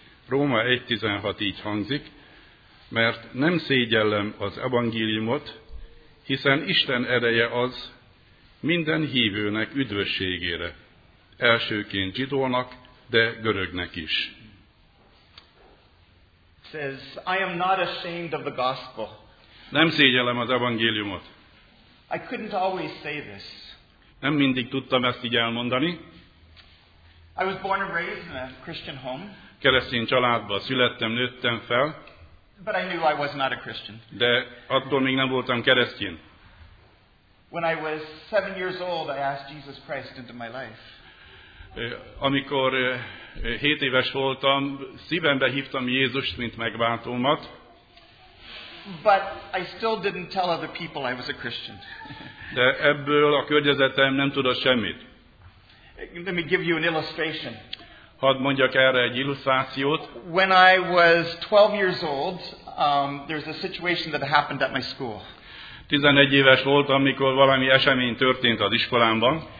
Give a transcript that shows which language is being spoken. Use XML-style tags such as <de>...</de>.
<hu>Róma 1:16 így hangzik, mert nem szégyellem az evangéliumot, hiszen Isten ereje az minden hívőnek üdvösségére, elsőként zsidónak, de görögnek is.</hu> <en>Says, I am not ashamed of the gospel.</en> <hu>Nem szégyellem az evangéliumot.</hu> <en>I couldn't always say this.</en> <hu>Nem mindig tudtam ezt így elmondani.</hu> <en>I was born and raised in a Christian home.</en> <hu>Keresztény családban születtem, nőttem fel.</hu> <en>But I knew I was not a Christian.</en> <hu>De attól még nem voltam keresztény.</hu> <en>When I was 7 years old, I asked Jesus Christ into my life.</en> <hu>Amikor 7 éves voltam, szívembe hívtam Jézust, mint megváltómat.</hu> <en>But I still didn't tell other people I was a Christian.</en> <hu>De ebből a környezetem nem tudott semmit.</hu> <en>Let me give you an illustration.</en> <hu>Hadd mondjak erre egy illusztrációt.</hu> <en>When I was 12 years old, there's a situation that happened at my school.</en> <hu>11 éves voltam, amikor valami esemény történt az iskolámban.</hu>